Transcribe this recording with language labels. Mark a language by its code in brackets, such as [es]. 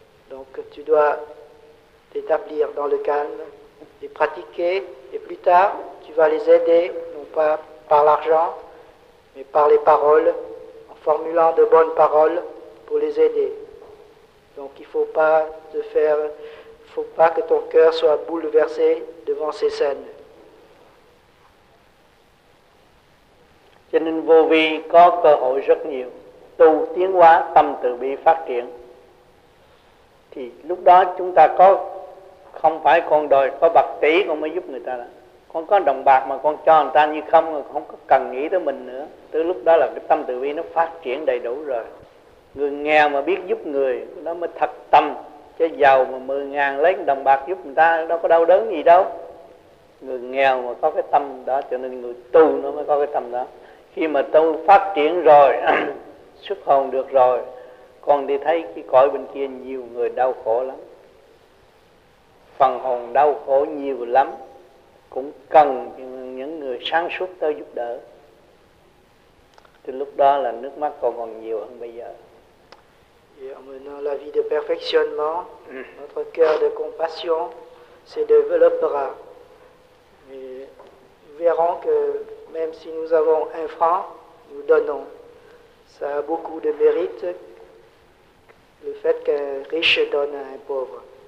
[fr] Donc tu dois t'établir dans le calme et pratiquer, et plus tard tu vas les aider, non pas par l'argent, mais par les paroles, en formulant de bonnes paroles pour les aider. Donc il ne faut pas te faire, faut pas que ton cœur soit bouleversé devant ces scènes. [vi] Cho nên vô vi có cơ hội rất nhiều, tu tiến hóa tâm từ bi phát triển. Thì lúc đó chúng ta có, không phải con đòi có bạc tỷ con mới giúp người ta đó. Con có đồng bạc mà con cho người ta như không, không có cần nghĩ tới mình nữa. Tới lúc đó là cái tâm từ bi nó phát triển đầy đủ rồi. Người nghèo mà biết giúp người, nó mới thật tâm. Chứ giàu mà 10,000 lấy đồng bạc giúp người ta, đâu có đau đớn gì đâu. Người nghèo mà có cái tâm đó, cho nên người tu nó mới có cái tâm đó. Khi mà tu phát triển rồi, xuất hồn được rồi, con đi thấy cái cõi bên kia nhiều người đau khổ lắm. Phần hồn đau khổ nhiều lắm, cũng cần những người sáng suốt tới giúp đỡ. Thì lúc đó là nước mắt con còn nhiều hơn bây giờ. [fr] Et en menant la vie de perfectionnement, notre cœur de compassion se développera. Et nous verrons que même si nous avons un franc, nous donnons. Ça a beaucoup de mérite, le fait qu'un riche donne à un pauvre.